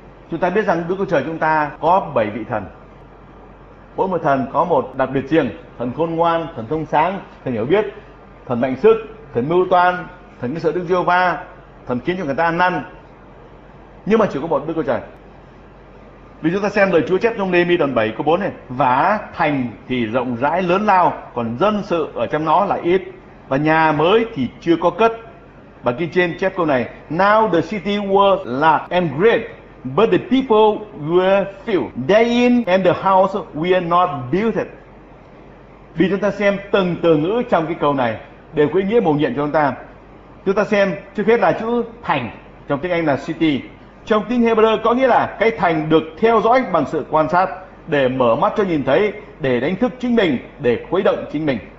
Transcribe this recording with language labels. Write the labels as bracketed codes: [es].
[vi] Chúng ta biết rằng Đức Chúa Trời chúng ta có 7 vị thần. Mỗi một thần có một đặc biệt riêng: thần khôn ngoan, thần thông sáng, thần hiểu biết, thần mạnh sức, thần mưu toan, thần nghĩ sợ Đức Giê-hô-va, thần khiến cho người ta ăn năn. Nhưng mà chỉ có một Đức Chúa Trời. Vì chúng ta xem lời Chúa chép trong Nê-mi đoạn 7 câu 4 này: vả thành thì rộng rãi lớn lao, còn dân sự ở trong nó là ít, và nhà mới thì chưa có cất. Và kinh trên chép câu này: [en] now the city was large and great, but the people were few, day in and the house were not built. [vi] Vì chúng ta xem từng từ ngữ trong cái câu này đều có ý nghĩa mầu nhiệm cho chúng ta. Chúng ta xem trước hết là chữ thành, trong tiếng Anh là city. Trong tiếng Hebrew có nghĩa là cái thành được theo dõi bằng sự quan sát, để mở mắt cho nhìn thấy, để đánh thức chính mình, để khuấy động chính mình.